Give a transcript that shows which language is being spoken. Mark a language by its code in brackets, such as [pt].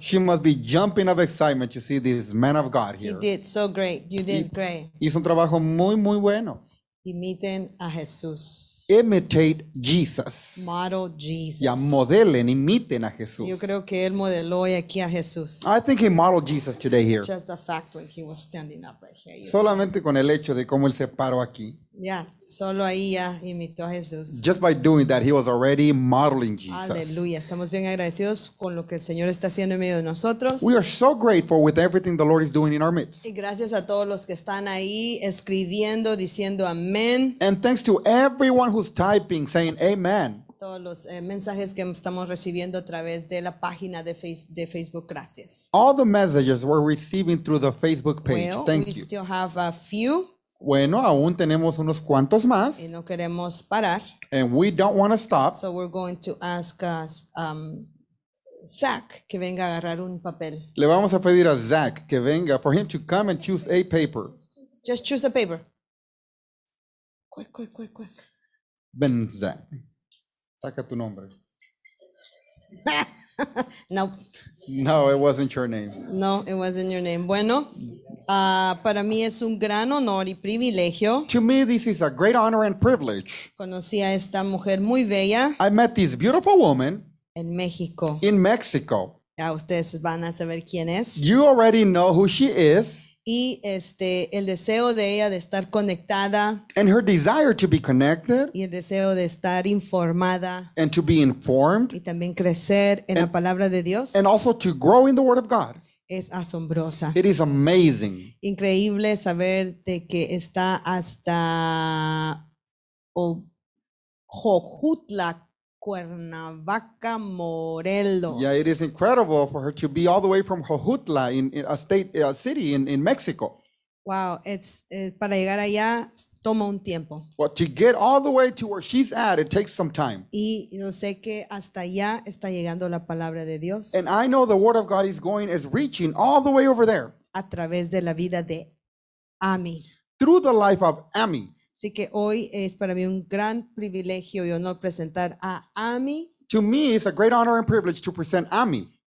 [en] She must be jumping of excitement to see this man of God here. He did so great. You did great. [es] Hizo un trabajo muy, muy bueno. Imiten a Jesús. [en] Imitate Jesus. Model Jesus. [es] Ya, modelen, imiten a Jesús. Yo creo que él modeló aquí a Jesús. [en] I think he modeled Jesus today here. Just the fact when he was standing up right here. [es] Solamente con el hecho de cómo él se paró aquí. Yeah, solo ahí ya imitó a Jesús. [en] Just by doing that, he was already modeling Jesus. [es] Aleluya, estamos bien agradecidos con lo que el Señor está haciendo en medio de nosotros. [en] We are so grateful with everything the Lord is doing in our midst. [es] Y gracias a todos los que están ahí escribiendo, diciendo amén. [en] And thanks to everyone who's typing, saying amen. [es] Todos los mensajes que estamos recibiendo a través de la página de Facebook, gracias. [en] All the messages we're receiving through the Facebook page, well, thank we We still have a few. [es] Bueno, aún tenemos unos cuantos más. Y no queremos parar. [en] And we don't want to stop. So we're going to ask Zach [es] que venga a agarrar un papel. Le vamos a pedir a Zach que venga [en] for him to come and choose a paper. Just choose a paper. Quick, quick, quick, quick. [es] Ben Zach. Saca tu nombre. [en] No. No, it wasn't your name. No, it wasn't your name. [es] Bueno, para mí es un gran honor y privilegio. [en] To me, this is a great honor and privilege. [es] Conocí a esta mujer muy bella. [en] I met this beautiful woman. [es] En México. [en] In Mexico. [es] Ya ustedes van a saber quién es. [en] You already know who she is. [es] Y este, el deseo de ella de estar conectada. [en] And her desire to be connected. [es] Y el deseo de estar informada. [en] And to be informed. [es] Y también crecer en la palabra de Dios. [en] And also to grow in the word of God. [es] Es asombrosa. [en] It is amazing. [es] Increíble saber de que está hasta Jojutla, Cuernavaca, Morelos. [en] Yeah, it is incredible for her to be all the way from Jojutla in a state, a city in Mexico. Wow, it's [es] para llegar allá toma un tiempo. [en] Well, to get all the way to where she's at, it takes some time. [es] Y no sé que hasta allá está llegando la palabra de Dios. [en] And I know the word of God is going, is reaching all the way over there. [es] A través de la vida de Amy. [en] Through the life of Amy. [es] Así que hoy es para mí un gran privilegio y honor presentar a Amy. [en] To me, it's a great honor and privilege to present Amy.